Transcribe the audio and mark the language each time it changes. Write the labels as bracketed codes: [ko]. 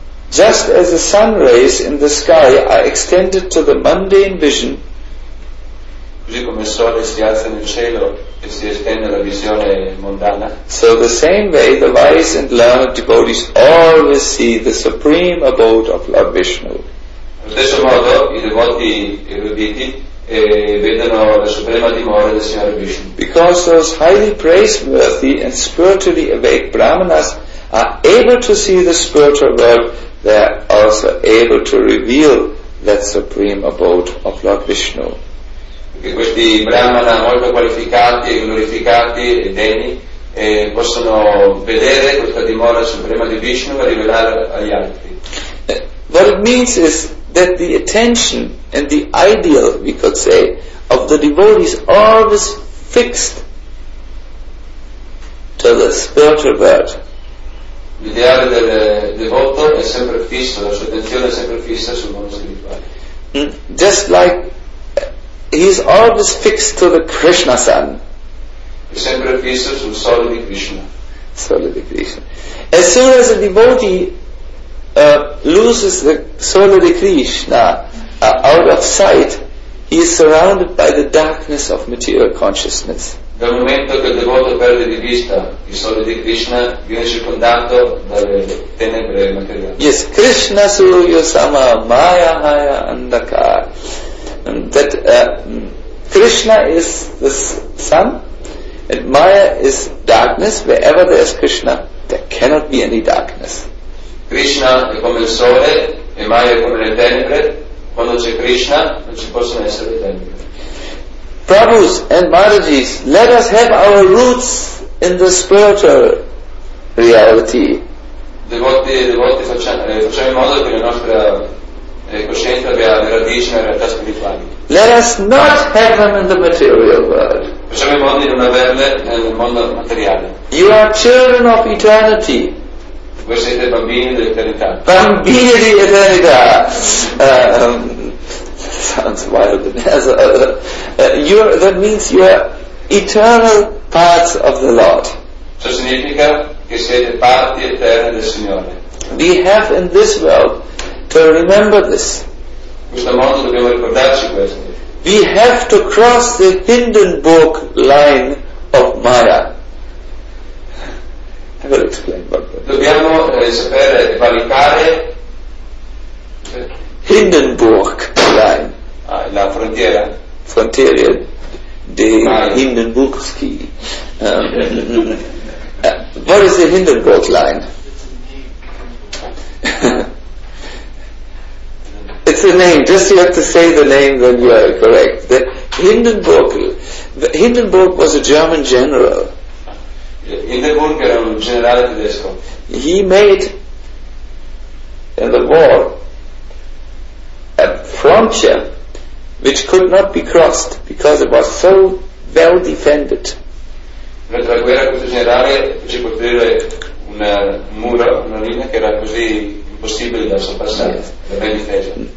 [en] Just as the sun rays in the sky are extended to the mundane vision, [it] così come il sole si alza nel cielo e si estende la visione mondana, [en] so the same way the wise and learned devotees always see the supreme abode of Lord Vishnu. [it] Allo stesso modo i devoti eruditi vedono la suprema dimora del Signore Vishnu. [en] Because those highly praiseworthy and spiritually awake brahmanas are able to see the spiritual world, they are also able to reveal that supreme abode of Lord Vishnu. [it] Perché questi brahmana molto qualificati e glorificati e degni possono vedere questa dimora suprema di Vishnu e rivelare agli altri. [en] What it means is that the attention and the ideal, we could say, of the devotees always fixed to the spiritual world. [it] L'ideale del devoto è sempre fisso, la sua attenzione è sempre fissa sul mondo spirituale. [en] Just like he is always fixed to the Krishna sun. [it] È sempre fisso sul sole di Krishna. Sole di Krishna. [en] As soon as a devotee loses the [it] sole di Krishna [en] out of sight, he is surrounded by the darkness of material consciousness. [it] Dal momento che il devoto perde di vista il sole di Krishna, viene circondato dalle tenebre materiali. [bn] Yes, Krishna Surya Sama Maya Haya Andakar. [en] That Krishna is the sun and Maya is darkness. Wherever there is Krishna, there cannot be any darkness. [it] Krishna è come il sole e Maya è come le tenebre. Quando c'è Krishna non ci possono essere tenebre. [en] Prabhus and Maharajis, let us have our roots in the spiritual reality. [it] Devoti, devoti, facciamo in modo che la nostra coscienza abbia le radici nella realtà spirituale. [en] Let us not have them in the material world. [it] Facciamo in modo di non averle nel mondo materiale. [en] You are children of eternity. [it] Voi siete bambini dell'eternità. Bambini di eternità. [en] Sounds wild. That means you are eternal parts of the Lord. [it] Ciò significa che siete parti eterne del Signore. [en] We have in this world to remember this. [it] In questo modo dobbiamo ricordarci questo. [en] We have to cross the Hindenburg line of Maya. I will explain about that. [it] Dobbiamo sapere valicare [en] Hindenburg line. [it] Ah, la frontiera. Frontiera di Hindenburgski. [en] what is the Hindenburg line? It's the name. Just you have to say the name, then you are correct. The Hindenburg. Hindenburg was a German general. [it] Hindenburg era un generale tedesco. [en] He made in the war a frontier which could not be crossed because it was so well defended. [it] Nella guerra questo generale ci costruire un muro, una linea che era così impossibile da sorpassare, ben difesa.